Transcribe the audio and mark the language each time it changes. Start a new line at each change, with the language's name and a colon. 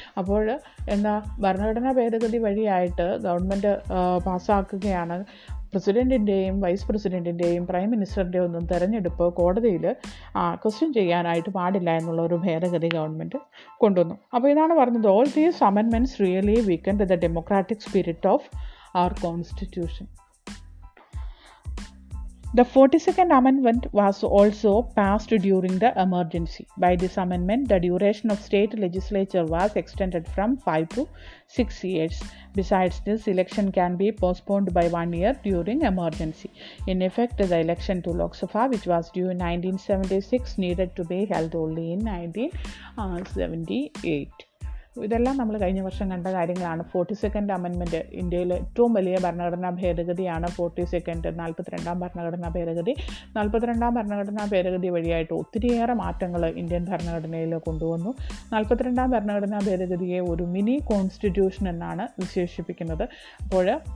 Malayalam: അപ്പോൾ എന്താ, ഭരണഘടനാ ഭേദഗതി വഴിയായിട്ട് ഗവൺമെൻറ് പാസ്സാക്കുകയാണ് പ്രസിഡൻറ്റിൻ്റെയും വൈസ് പ്രസിഡൻറ്റിൻ്റെയും പ്രൈം മിനിസ്റ്ററിൻ്റെ ഒന്നും തെരഞ്ഞെടുപ്പ് കോടതിയിൽ ക്വസ്റ്റ്യൻ ചെയ്യാനായിട്ട് പാടില്ല എന്നുള്ള ഒരു ഭേദഗതി ഗവൺമെൻറ് കൊണ്ടുവന്നു. അപ്പോൾ ഇതാണ് പറഞ്ഞത്,
English: All these amendments really weaken the democratic spirit of our constitution. The 42nd amendment was also passed during the emergency. By this amendment, the duration of state legislature was extended from 5 to 6 years. Besides this, election can be postponed by 1 year during emergency. In effect, the election to Lok Sabha, which was due in 1976, needed to be held only in 1978.
Malayalam: ഇതെല്ലാം നമ്മൾ കഴിഞ്ഞ വർഷം കണ്ട കാര്യങ്ങളാണ്. 42nd amendment ഇന്ത്യയിലെ ഏറ്റവും വലിയ ഭരണഘടനാ ഭേദഗതിയാണ് 42nd, 42nd ഭരണഘടനാ ഭേദഗതി. 42nd ഭരണഘടനാ ഭേദഗതി വഴിയായിട്ട് ഒത്തിരിയേറെ മാറ്റങ്ങൾ ഇന്ത്യൻ ഭരണഘടനയിൽ കൊണ്ടുവന്നു. 42nd ഭരണഘടനാ ഭേദഗതിയെ ഒരു മിനി കോൺസ്റ്റിറ്റ്യൂഷൻ എന്നാണ് വിശേഷിപ്പിക്കുന്നത്. അപ്പോൾ